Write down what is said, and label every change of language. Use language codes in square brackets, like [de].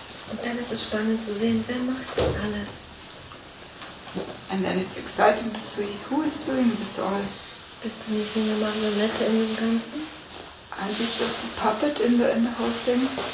[de] Und dann ist es spannend zu sehen, wer macht das alles. [en] And then it's exciting to see who is doing this all. [de] Bist du nicht nur eine Marionette in dem Ganzen? [en] Aren't you just a puppet in the whole thing?